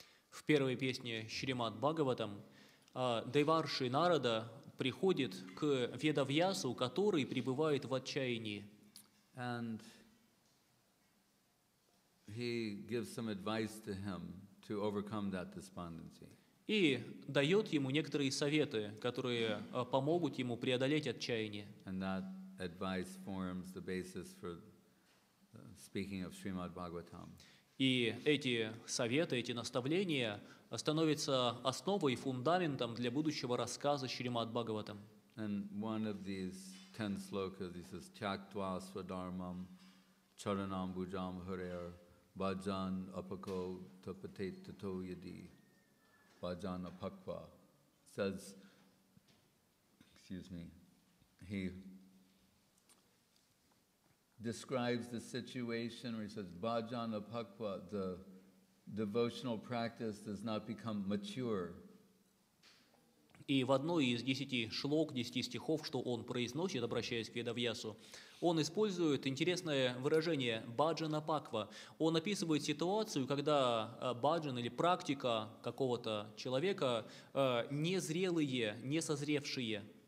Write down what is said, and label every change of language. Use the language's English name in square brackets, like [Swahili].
[Russian] В первой песне Шримад Бхагаватам Деварши Нарада приходит к Ведавьясу, который пребывает в отчаянии. [English] And he gives some advice to him to overcome that despondency. [Russian] И дает ему некоторые советы, которые помогут ему преодолеть отчаяние. [English] And that advice forms the basis for speaking of Srimad Bhagavatam. [Russian] И эти советы, эти наставления становятся основой, фундаментом для будущего рассказа Шримад Бхагаватам. [English] And one of these 10 slokas, he says, [Sanskrit] Чактва свадармам чаранам буджам харер баджан апако тапате тато яди баджан апаква. [English] Says, excuse me, he describes the situation where he says, Bhajan Apakva, the devotional practice does not become mature. [Russian] И в одной из 10 шлок, 10 стихов, что он произносит, обращаясь к Ведавьясу, он использует интересное выражение «баджан апаква». Он описывает ситуацию, когда баджан или практика какого-то человека незрелые, несозревшие.